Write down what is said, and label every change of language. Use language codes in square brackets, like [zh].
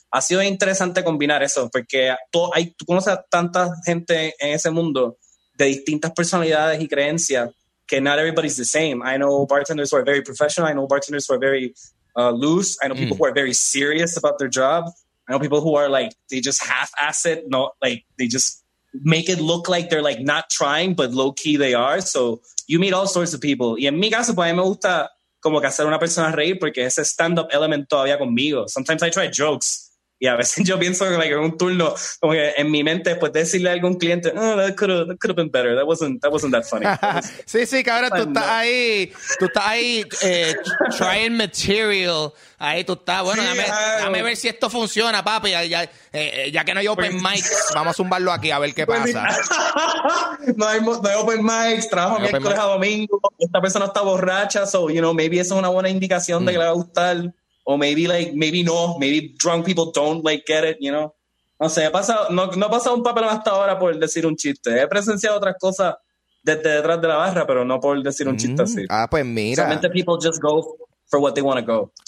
[es] Ha sido interesante combinar eso, porque tú conoces a tanta gente en ese mundo de distintas personalidades y creencias que not everybody's the same. [en] I know bartenders who are very professional, I know bartenders who are very loose, I know people who are very serious about their job, I know people who are like, they just half-ass it, no, like, they just make it look like they're like not trying, but low key they are. So you meet all sorts of people. [es] Y en mi caso, pues a mí me gusta como que hacer una persona reír porque ese stand up element todavía conmigo. Sometimes I try jokes Y a veces yo pienso que like, en un turno, como que en mi mente, después de decirle a algún cliente, oh, that could have been better. [en] That wasn't that funny. [es] Sí, sí, que ahora tú estás ahí. Tú estás ahí trying material. Ahí tú estás. Bueno, sí, dame ver si esto funciona, papi. Ya que no hay open mic, vamos a zumbarlo aquí a ver qué pasa. no hay open mic. Trabajo miércoles a domingo. Esta persona está borracha. So, you know, maybe eso es una buena indicación de que le va a gustar. [en] O maybe drunk people don't like get it, you know. [es] No sé, no he pasado un papel hasta ahora por decir un chiste. He presenciado otras cosas desde detrás de la barra, pero no por decir un chiste así. Ah, pues mira. [en] Solamente people just go for what they want to go.